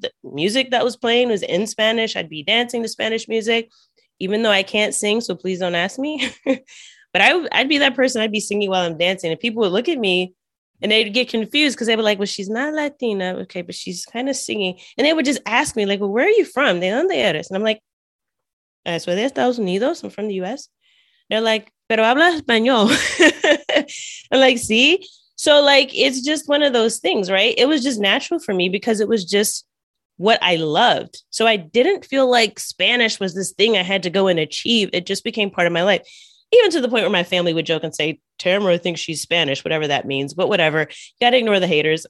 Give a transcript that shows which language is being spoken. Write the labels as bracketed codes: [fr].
[en] The music that was playing was in Spanish. I'd be dancing to Spanish music, even though I can't sing, so please don't ask me. But I'd be that person. I'd be singing while I'm dancing. And people would look at me and they'd get confused, because they'd be like, well, she's not Latina. Okay, but she's kind of singing. And they would just ask me, like, well, where are you from? [es] ¿De dónde eres? [en] And I'm like, [es] soy de Estados Unidos. [en] I'm from the U.S. They're like, [es] pero habla español. [en] I'm like, see? So like, it's just one of those things, right? It was just natural for me because it was just what I loved. So I didn't feel like Spanish was this thing I had to go and achieve. It just became part of my life. Even to the point where my family would joke and say, Tamara thinks she's Spanish, whatever that means, but whatever. Gotta ignore the haters.